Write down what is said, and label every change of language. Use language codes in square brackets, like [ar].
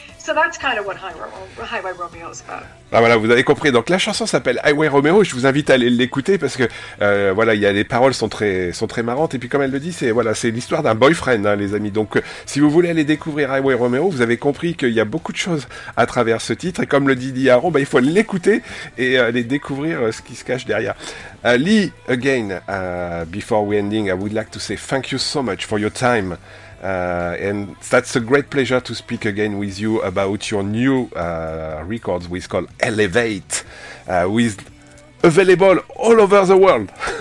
[en] So that's kind of what Highway Romeo is about. [fr] Ah, voilà, vous avez compris. Donc la chanson s'appelle Highway Romeo. Je vous invite à aller l'écouter parce que voilà, il y a les paroles sont très marrantes. Et puis comme elle le dit, c'est voilà, c'est l'histoire d'un boyfriend, hein, les amis. Donc si vous voulez aller découvrir Highway Romeo, vous avez compris qu'il y a beaucoup de choses à travers ce titre. Et comme le dit Lee Aaron, bah il faut l'écouter et aller découvrir ce qui se cache derrière. [en] Lee, again, before we ending, I would like to say thank you so much for your time. And that's a great pleasure to speak again with you about your new records, which is called Elevate, which is available all over the world.